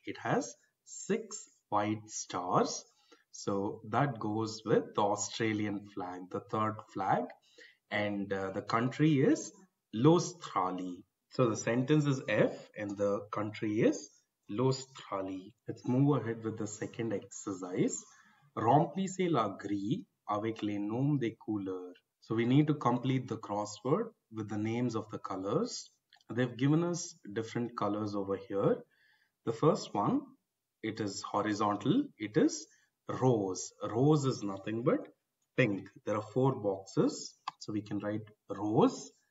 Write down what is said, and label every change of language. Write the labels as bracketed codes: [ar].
[en] It has 6 white stars. So that goes with the Australian flag, the third flag. And the country is l'Australie. So the sentence is F and the country is l'Australie. Let's move ahead with the second exercise. [fr] Remplissez la grille avec les noms des couleurs. [en] So we need to complete the crossword with the names of the colors. They've given us different colors over here. The first one, it is horizontal. It is rose. Rose is nothing but pink. There are four boxes, so we can write rose.